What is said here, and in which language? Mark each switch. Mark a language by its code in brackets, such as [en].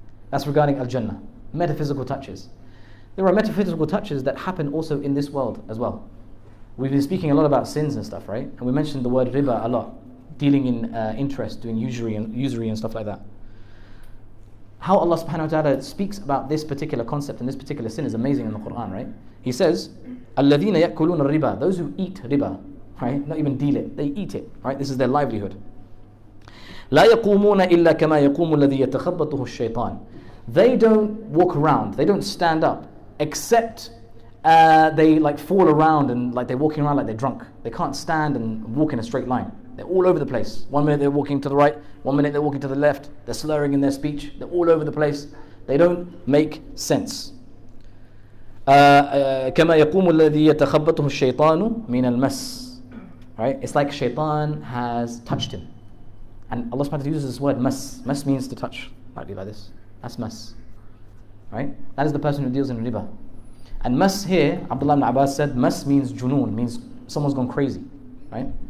[en] That's regarding Al-Jannah. Metaphysical touches. There are metaphysical touches that happen also in this world as well. We've been speaking a lot about sins and stuff, right? And we mentioned the word riba a lot. Dealing in interest, doing usury and stuff like that. How Allah subhanahu wa ta'ala speaks about this particular concept and this particular sin is amazing in the Quran, right? He says, [ar] الَّذِينَ يَأْكُلُونَ الرِّبَى. [en] Those who eat riba, right? Not even deal it, they eat it, right? This is their livelihood. [ar] لَا يَقُومُونَ إِلَّا كَمَا يَقُومُ الَّذِي يَتَخَبَّطُهُ الشَّيْطَانِ. [en] They don't walk around, they don't stand up, except they like fall around and like they're walking around like they're drunk. They can't stand and walk in a straight line. They're all over the place. 1 minute they're walking to the right, 1 minute they're walking to the left, they're slurring in their speech, they're all over the place. They don't make sense. [ar] كما يقوم الذي يتخبطه الشيطان من المس. [en] Right? It's like Shaitan has touched him. And Allah subhanahu wa ta'ala uses this word mas. Mas means to touch. Might be like this. That's mas. Right? That is the person who deals in riba. And mas here, Abdullah ibn Abbas said, mas means junoon, means someone's gone crazy. Right?